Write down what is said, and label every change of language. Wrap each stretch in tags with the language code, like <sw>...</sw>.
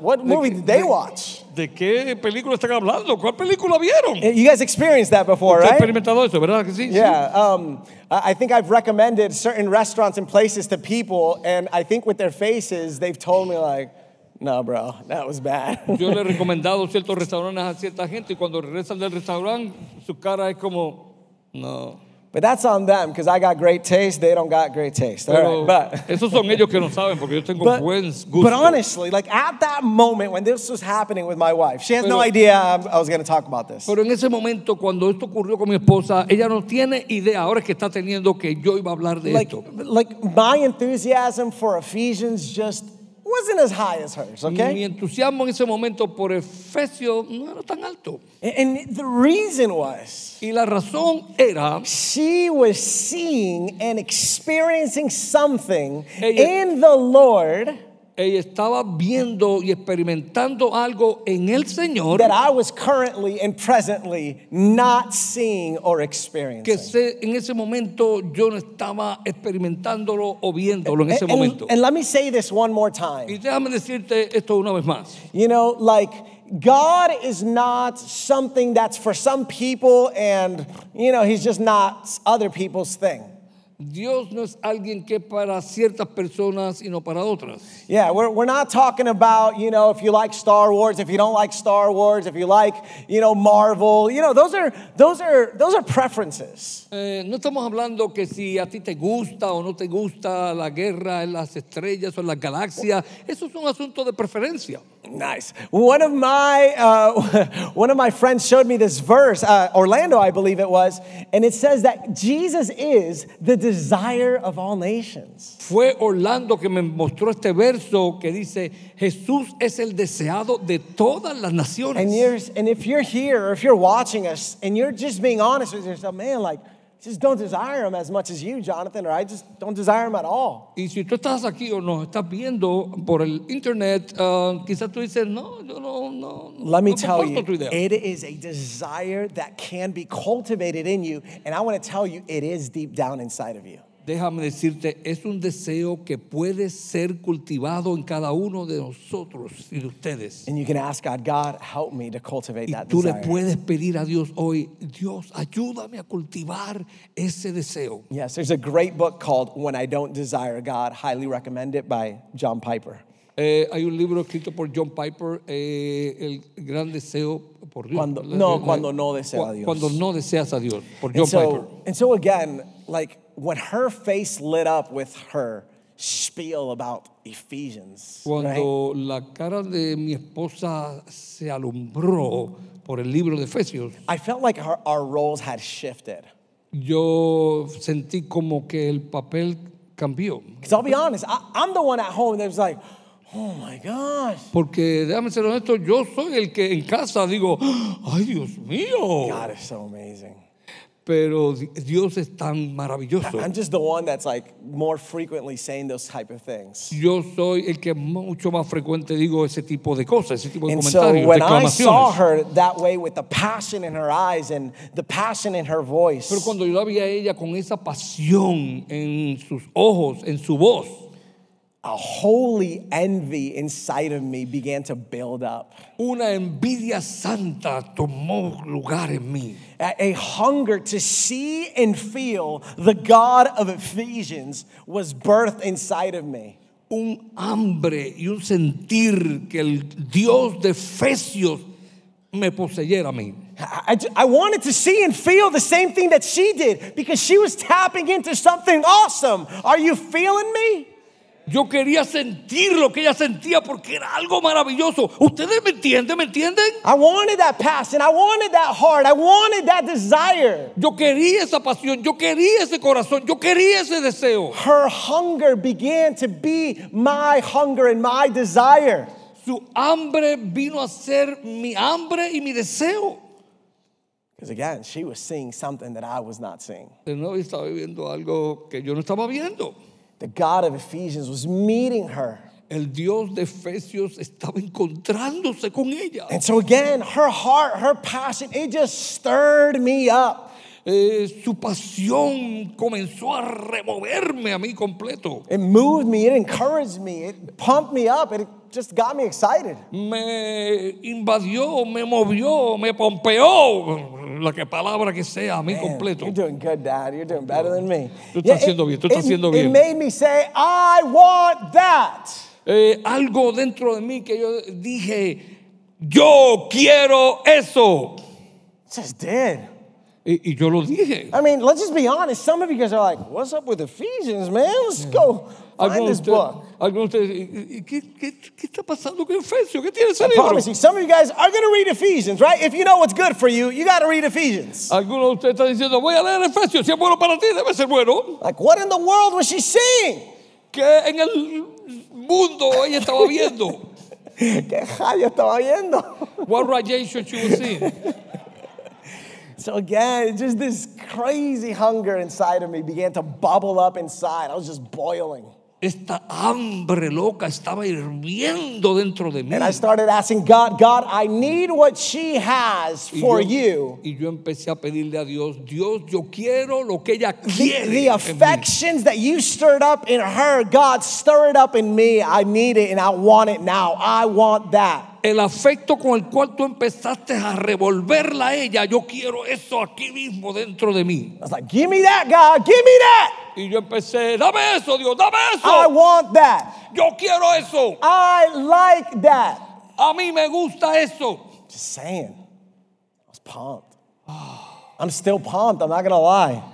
<en>What movie did they watch?</en> <es>¿De qué película están hablando? ¿Cuál película vieron?</es> <en>You guys experienced that before, right?</en> <es>¿Usted ha experimentado eso, verdad que sí?</es> <en>Yeah. I think I've recommended certain restaurants and places to people, and I think with their faces, they've told me like, no, bro, that was bad.</en> <es>Yo le he recomendado ciertos restaurantes a cierta gente y cuando regresan del restaurante, su cara es como, no.</es> <en>But that's on them, because I got great taste, they don't got great taste.</en> <es>Pero</es> <en>all right, but.</en> <es>Esos son ellos que no saben, porque yo tengo buen gusto.</es> <en>But honestly, like at that moment when this was happening with my wife, she has no idea I was going to talk about this.</en> <es>Pero en ese momento, cuando esto ocurrió con mi esposa, ella no tiene idea, ahora es que está teniendo que yo iba a hablar de</es> <en>like,</en> <es>esto.</es> <en>Like my enthusiasm for Ephesians just wasn't as high as hers, okay?</en> <es>Mi entusiasmo en ese momento por Efesio no era tan alto.</es> <en>And the reason was,</en> <es>y la razón era,</es> <en>she was seeing and experiencing something in the Lord.</en> <es>Ella estaba viendo y experimentando algo en el Señor</es> <en>that I was currently and presently not seeing or experiencing.</en> <es>Que en ese momento yo no estaba experimentándolo o viéndolo en ese momento.</es> <en>And let me say this one more time.</en> <es>Y déjame decirte esto una vez más.</es> <en>You know, like, God is not something that's for some people and, you know, he's just not other people's thing.</en> <es>Dios no es alguien que para ciertas personas y no para otras.</es> <en>Yeah, we're not talking about, you know, if you like Star Wars, if you don't like Star Wars, if you like, you know, Marvel, you know, those are preferences.</en> <es>No estamos hablando que si a ti te gusta o no te gusta la guerra en las estrellas o en las galaxias, eso es un asunto de preferencia.</es> <en>Nice. One of my friends showed me this verse, Orlando, I believe it was, and it says that Jesus is the desire of all nations.</en> <es>Fue Orlando que me mostró este verso que dice Jesús es el deseado de todas las naciones.</es> <en>And if you're here or if you're watching us and you're just being honest with yourself, man, like, just don't desire him as much as you, Jonathan, or I just don't desire him at all.</en> <es>Y si tú estás aquí o nos estás viendo por el internet, quizás tú dices, no, yo no, no.</es> <en>Let me tell you, it is a desire that can be cultivated in you, and I want to tell you, it is deep down inside of you.</en> <es>Déjame decirte, es un deseo que puede ser cultivado en cada uno de nosotros y de ustedes.</es> <en>And you can ask God, God, help me to cultivate that desire.</en> <es>Y tú le puedes pedir a Dios hoy, Dios, ayúdame a cultivar ese deseo.</es> <en>Yes, there's a great book called When I Don't Desire God, highly recommend it by John Piper.</en> <es>Hay un libro escrito por John Piper, El Gran Deseo por Dios. Cuando no deseo a Dios. Cuando no deseas a Dios, por John Piper.</es> <en>And so again, like, when her face lit up with her spiel about Ephesians,</en> <es>cuando</es> <en>right?</en> <es>la cara de mi esposa se alumbró por el libro de Efesios,</es> <en>I felt like our roles had shifted.</en> <es>Yo sentí como que el papel cambió.</es> <en>Because I'll be honest, I'm the one at home that was like, oh my gosh.</en> <es>Porque déjame ser honesto, yo soy el que en casa digo, ay Dios mío.</es> <en>God is so amazing.</en> <es>Pero Dios es tan maravilloso.</es> <en>I'm just the one that's like more frequently saying those type of things.</en> <es>Yo soy el que mucho más frecuente digo ese tipo de cosas, ese tipo de comentarios, declamaciones.</es> <en>And so when I saw her that way with the passion in her eyes and the passion in her voice.</en> <es>Pero cuando yo la vi a ella con esa pasión en sus ojos, en su voz.</es> <en>A holy envy inside of me began to build up.</en> <es>Una envidia santa tomó lugar en mí.</es> <en>A hunger to see and feel the God of Ephesians was birthed inside of me.</en> <es>Un hambre y un sentir que el Dios de Efesios me poseyera a mí.</es> <en>I wanted to see and feel the same thing that she did because she was tapping into something awesome. Are you feeling me?</en> <es>Yo quería sentir lo que ella sentía porque era algo maravilloso. ¿Ustedes me entienden? ¿Me entienden?</es> <en>I wanted that passion. I wanted that heart. I wanted that desire.</en> <es>Yo quería esa pasión. Yo quería ese corazón. Yo quería ese deseo.</es> <en>Her hunger began to be my hunger and my desire.</en> <es>Su hambre vino a ser mi hambre y mi deseo.</es> <en>Because again, she was seeing something that I was not seeing.</en> <es>De nuevo estaba viendo algo que yo no estaba viendo.</es> <en>The God of Ephesians was meeting her.</en> <es>El Dios de Efesios estaba encontrándose con ella.</es> <en>And so again, her heart, her passion, it just stirred me up.</en> <es>Su pasión comenzó a removerme a mí completo.</es> <en>It moved me, it encouraged me, it pumped me up, it just got me excited.</en> <es>Me invadió, me movió, me pompeó. La que palabra que sea a mí</es> <en>man,</en> <es>completo.</es> <en>You're doing good, Dad. You're doing better than me.</en> <es>Tú estás haciendo bien. Tú estás haciendo bien.</es> <en>It made me say, I want that.</en> <es>Algo dentro de mí que yo dije, yo quiero eso.</es> <en>It just did.</en> <es>Y yo lo dije.</es> <en>I mean, let's just be honest. Some of you guys are like, what's up with Ephesians, man? Let's go find this book.</en> <es>Algunos de ¿qué está pasando con Efesios? ¿Qué tiene ese libro?</es> <en>I promise you, some of you guys are going to read Ephesians, right? If you know what's good for you, you got to read Ephesians.</en> <es>Algunos de ustedes están diciendo, voy a leer Efesios. Si es bueno para ti, debe ser bueno.</es> <en>Like, what in the world was she seeing?</en> <es>¿Qué en el mundo ella estaba viendo? ¿Qué rayo estaba viendo?</es> <en>What radiation she was seeing? So again, just this crazy hunger inside of me began to bubble up inside. I was just boiling.</en> <es>Esta hambre loca estaba hirviendo dentro de mí.</es> <en>And I started asking God, God, I need what she has for you.</en> <es>Y yo empecé a pedirle a Dios, Dios, yo quiero lo que ella quiere.</es> <en>The affections that you stirred up in her, God, stir it up in me. I need it and I want it now. I want that.</en> <es>El afecto con el cual tú empezaste a revolverla a ella, yo quiero eso aquí mismo dentro de mí.</es> <en>I was like, give me that, God, give me that.</en> <es>Y yo empecé, dame eso, Dios, dame eso.</es> <en>I want that.</en> <es>Yo quiero eso.</es> <en>I like that.</en> <es>A mí me gusta eso.</es> <en>Just saying. I was pumped. I'm still pumped, I'm not going to lie.</en>